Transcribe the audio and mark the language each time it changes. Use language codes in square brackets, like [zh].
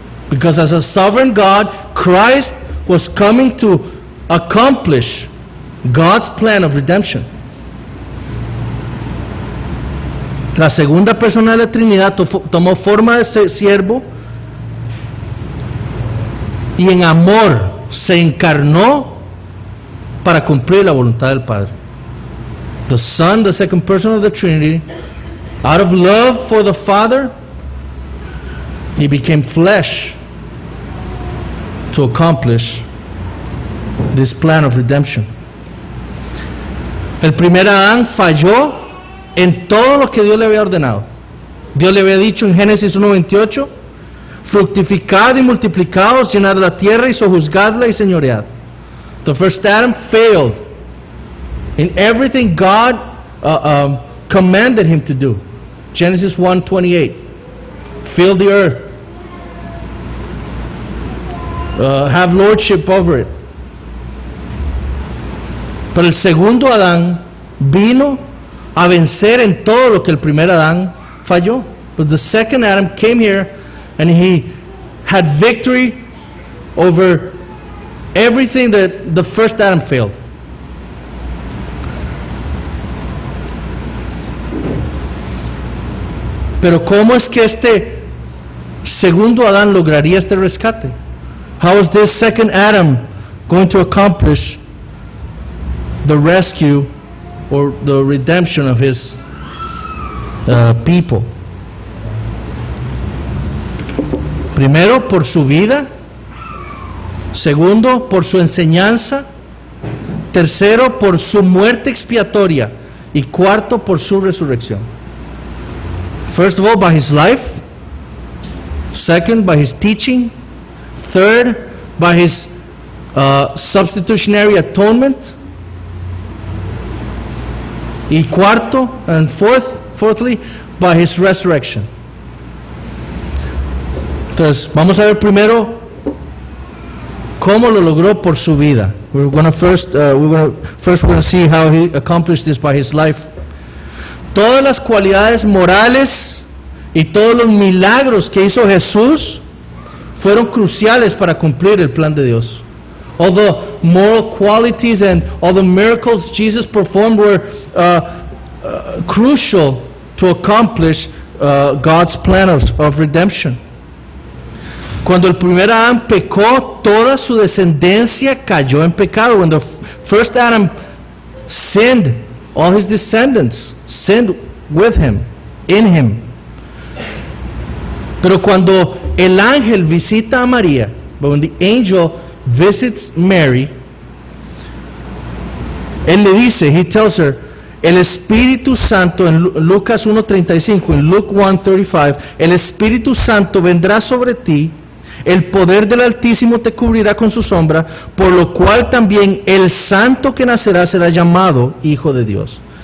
[en] Because as a sovereign God, Christ was coming to accomplish God's plan of redemption. [es] La segunda persona de la Trinidad tomó forma de siervo y en amor se encarnó para cumplir la voluntad del Padre. [en] The Son, the second person of the Trinity, out of love for the Father, he became flesh to accomplish this plan of redemption. [es] El primer Adán falló en todo lo que Dios le había ordenado. Dios le había dicho en Génesis 1:28, fructificad y multiplicaos, llenad la tierra y sojuzgadla y señoread. [en] The first Adam failed in everything God commanded him to do. Genesis 1:28. Fill the earth. Have lordship over it. [es] Pero el segundo Adán vino a vencer en todo lo que el primer Adán falló. [en] But the second Adam came here and he had victory over everything that the first Adam failed. [es] Pero ¿cómo es que este segundo Adán lograría este rescate? [en] How is this second Adam going to accomplish the rescue or the redemption of his people? [es] Primero, por su vida. Segundo, por su enseñanza. Tercero, por su muerte expiatoria. Y cuarto, por su resurrección. [en] First of all, by his life. Second, by his teaching. Third, by his substitutionary atonement. [es] Y cuarto, [en] and fourthly, by his resurrection. [es] Entonces, vamos a ver primero cómo lo logró por su vida. [en] We're gonna see how he accomplished this by his life. [es] Todas las cualidades morales y todos los milagros que hizo Jesús fueron cruciales para cumplir el plan de Dios. [en] All the moral qualities and all the miracles Jesus performed were crucial to accomplish God's plan of redemption. [es] Cuando el primer Adán pecó, toda su descendencia cayó en pecado. [en] When the first Adam sinned, all his descendants sinned with him, in him. [es] Pero cuando el ángel visita a María, [en] but when the angel visits Mary, [es] él le dice, [en] he tells her, [es] el Espíritu Santo, en Lucas 1:35, en Luke 1:35, el Espíritu Santo vendrá sobre ti, el poder del Altísimo te cubrirá con su sombra, por lo cual también el santo que nacerá será llamado Hijo de Dios.